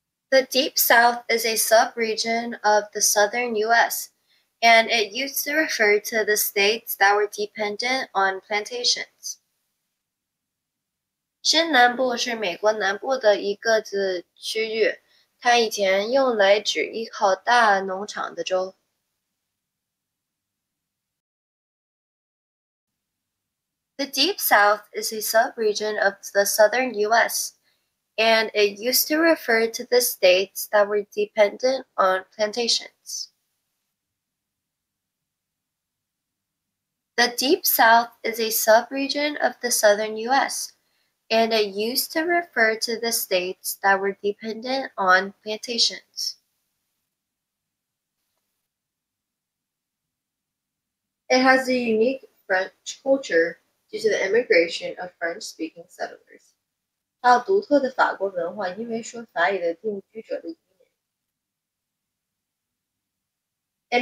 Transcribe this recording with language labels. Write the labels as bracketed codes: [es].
[en] The Deep South is a sub-region of the southern U.S. And it used to refer to the states that were dependent on plantations. [zh] 深南部是美国南部的一个子区域，它以前用来指依靠大农场的州。 [en] The Deep South is a sub-region of the southern U.S., and it used to refer to the states that were dependent on plantations. The Deep South is a sub-region of the southern U.S., and it used to refer to the states that were dependent on plantations. It has a unique French culture. due to the immigration of French-speaking settlers. [zh] 它有独特的法国文化，因为说法语的定居者的移民。